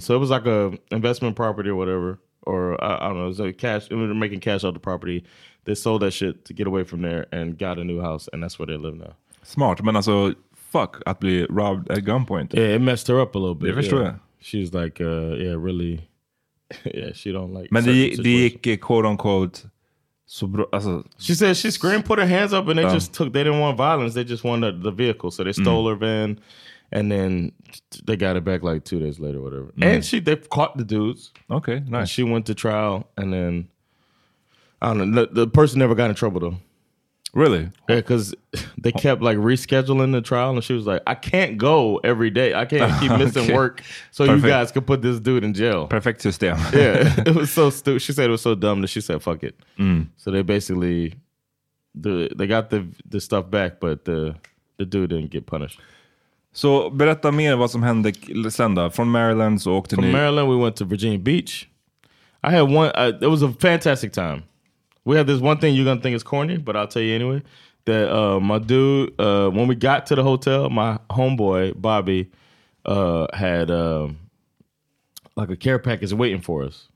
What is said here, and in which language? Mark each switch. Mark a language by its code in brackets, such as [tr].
[en] So it was like a investment property or whatever. Or I don't know. It was like cash. They were making cash off the property. They sold that shit to get away from there and got a new house. And that's where they live now. [sv] Smart, men alltså, fuck att bli [en] robbed at gunpoint. Yeah, it messed her up a little bit. [sv] Jag förstår. [en] Yeah. She's like, yeah, really, yeah, she don't like. [sv] Men det gick [en] quote unquote [sv] så bra, alltså. [en] She said she screamed, put her hands up, and they just took, they didn't want violence, they just wanted the vehicle. So they stole her van, and then they got it back like 2 days later, whatever. Mm. And they caught the dudes. Okay, nice. And she went to trial, and then, I don't know, the person never got in trouble though. Really? Yeah, because they kept like rescheduling the trial, and she was like, I can't go every day. I can't keep missing work so perfect. You guys can put this dude in jail. Perfect system. Yeah, it was so stupid. She said it was so dumb that she said, fuck it. Mm. So they basically, they got the stuff back, but the dude didn't get punished. [sv] So berätta mer vad som hände sen då. [en] From Maryland, [sv] så åkte ni. [en] From Maryland, we went to Virginia Beach. I had it was a fantastic time. We had this one thing you're going to think is corny, but I'll tell you anyway, that my dude, when we got to the hotel, my homeboy, Bobby, had like a care package waiting for us.